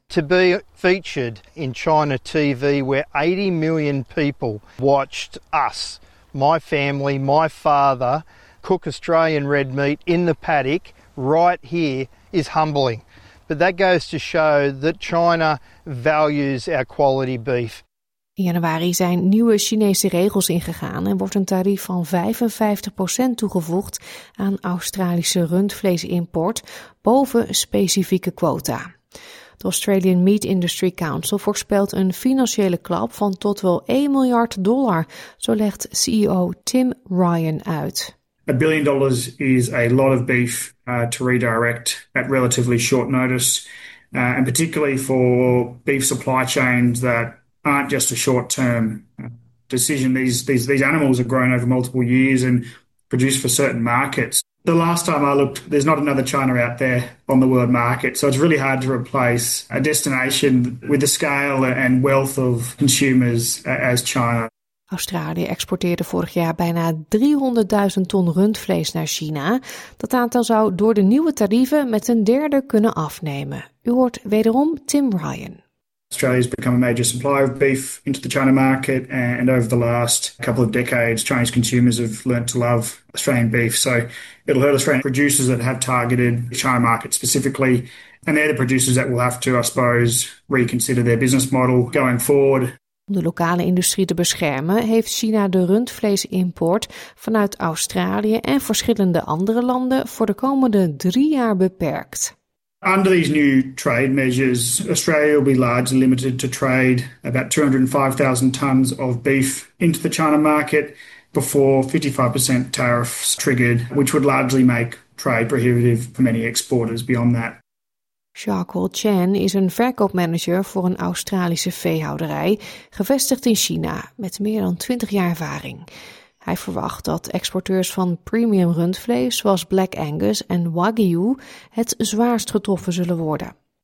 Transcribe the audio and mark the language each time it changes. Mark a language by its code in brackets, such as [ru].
[en] To be featured in China TV, where 80 million people watched us, my family, my father, cook Australian red meat in the paddock right here, is humbling. But that goes to show that China values our quality beef. [nl] In januari zijn nieuwe Chinese regels ingegaan en wordt een tarief van 55% toegevoegd aan Australische rundvleesimport boven specifieke quota. De Australian Meat Industry Council voorspelt een financiële klap van tot wel $1 miljard, zo legt CEO Tim Ryan uit. [en] $1 billion is a lot of beef to redirect at relatively short notice, and particularly for beef supply chains that aren't just a short-term decision. These animals are grown over multiple years and produced for certain markets. The last time I looked, there's not another China out there on the world market, so it's really hard to replace a destination with the scale and wealth of consumers as China. [nl] Australië exporteerde vorig jaar bijna 300.000 ton rundvlees naar China. Dat aantal zou door de nieuwe tarieven met een derde kunnen afnemen. U hoort wederom Tim Ryan. [en] Australia has become a major supplier of beef into the China market, and over the last couple of decades, Chinese consumers have learned to love Australian beef. So it'll hurt Australian producers that have targeted the China market specifically, and they're the producers that will have to, I suppose, reconsider their business model going forward. [nl] Om de lokale industrie te beschermen, heeft China de rundvleesimport vanuit Australië en verschillende andere landen voor de komende 3 jaar beperkt. [en] Under these new trade measures, Australia will be largely limited to trade about 205,000 tons of beef into the China market before 55% tariffs triggered, which would largely make trade prohibitive for many exporters beyond that. [nl] Charcoal Chen is een verkoopmanager voor een Australische veehouderij, gevestigd in China, met meer dan 20 jaar ervaring. Hij verwacht dat exporteurs van premium rundvlees zoals Black Angus en Wagyu het zwaarst getroffen zullen worden.